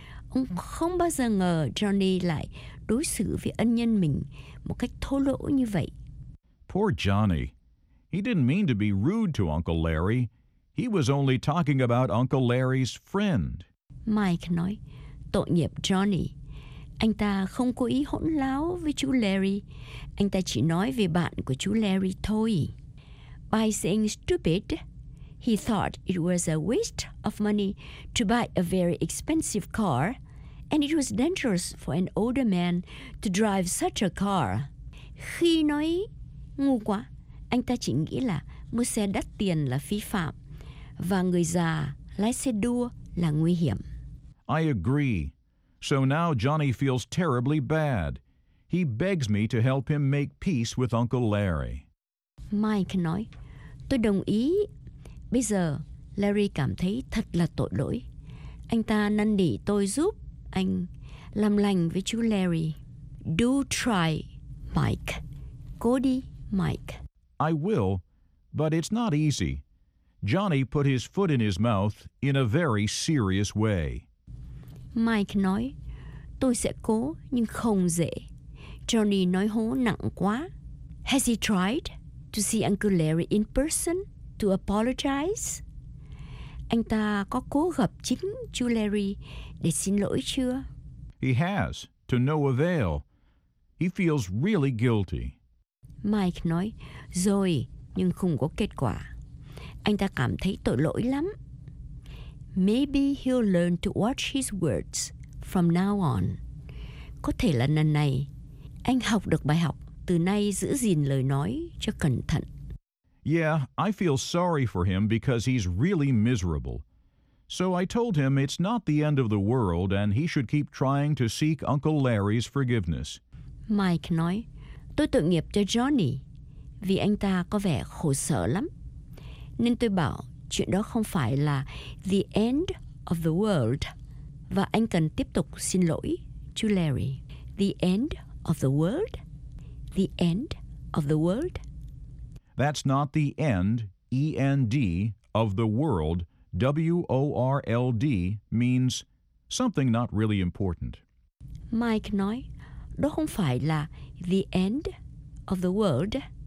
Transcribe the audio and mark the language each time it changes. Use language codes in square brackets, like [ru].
[vi] Ông không bao giờ ngờ Johnny lại đối xử với ân nhân mình một cách thô lỗ như vậy. [en] Poor Johnny. He didn't mean to be rude to Uncle Larry. He was only talking about Uncle Larry's friend. [vi] Mike nói, tội nghiệp Johnny. Anh ta không cố ý hỗn láo với chú Larry. Anh ta chỉ nói về bạn của chú Larry thôi. [en] By saying stupid, he thought it was a waste of money to buy a very expensive car, and it was dangerous for an older man to drive such a car. [vi] Khi nói ngu quá, anh ta chỉ nghĩ là mua xe đắt tiền là phi phạm, và người già lái xe đua là nguy hiểm. [en] I agree. So now Johnny feels terribly bad. He begs me to help him make peace with Uncle Larry. [vi] Mike nói, tôi đồng ý. Bây giờ, Larry cảm thấy thật là tội lỗi. Anh ta năn nỉ tôi giúp anh làm lành với chú Larry. [en] Do try, Mike. [vi] Cố đi, Mike. [en] I will, but it's not easy. Johnny put his foot in his mouth in a very serious way. [vi] Mike nói, tôi sẽ cố, nhưng không dễ. Johnny nói hố nặng quá. [en] Has he tried to see Uncle Larry in person to apologize? [vi] Anh ta có cố gặp chính chú Larry để xin lỗi chưa? [en] He has, to no avail. He feels really guilty. [vi] Mike nói, rồi, nhưng không có kết quả. Anh ta cảm thấy tội lỗi lắm. [en] Maybe he'll learn to watch his words from now on. [vi] Có thể là lần này, anh học được bài học, từ nay giữ gìn lời nói cho cẩn thận. [en] Yeah, I feel sorry for him because he's really miserable. So I told him it's not the end of the world and he should keep trying to seek Uncle Larry's forgiveness. [vi] Mike nói, tôi tội nghiệp cho Johnny vì anh ta có vẻ khổ sở lắm. Nên tôi bảo, chuyện đó không phải là [en] the end of the world. [vi] Và anh cần tiếp tục xin lỗi chú Larry. [en] The end of the world? The end of the world? That's not the end, E-N-D, of the world. W-O-R-L-D means something not really important. [vi] Mike nói, đó không phải là [en] the end of the world.